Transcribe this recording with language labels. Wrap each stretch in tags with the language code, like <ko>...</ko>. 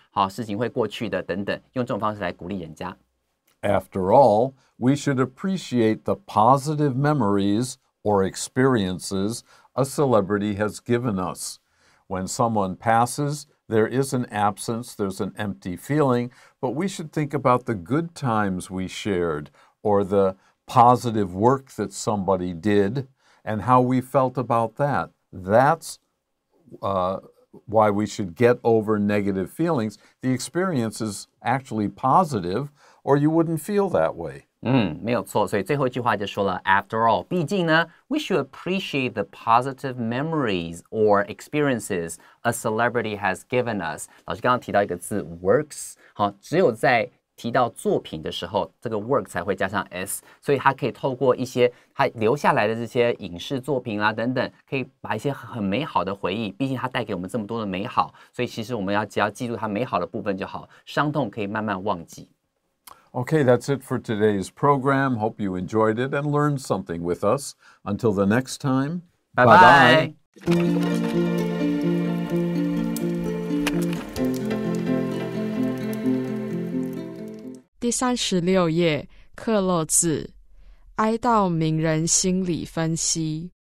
<zh>好，事情会过去的等等，用这种方式来鼓励人家。</zh> <en>After all, we should appreciate the positive memories or experiences a celebrity has given us. When someone passes, there is an absence, there's an empty feeling, but we should think about the good times we shared or the positive work that somebody did and how we felt about that. That's why we should get over negative feelings. The experience is actually positive,Or you wouldn't feel that way.</en> <zh>没有错。所以最后一句话就说了</zh> <en>,after all,</en> <zh>毕竟呢</zh> <en>,we should appreciate the positive memories or experiences a celebrity has given us.</en> <zh>老师刚刚提到一个字 ,works, 好，只有在提到作品的时候这个 work 才会加上 s, 所以它可以透过一些它留下来的这些影视作品啦、啊、等等，可以把一些很美好的回忆，毕竟它带给我们这么多的美好，所以其实我们要只要记住它美好的部分就好，伤痛可以慢慢忘记。</zh> <en>Okay, that's it for today's program. Hope you enjoyed it and learned something with us. Until the next time, bye-bye. Bye-bye.</en> <zh>36 页, Cloze, 哀悼名人心理分析。</zh>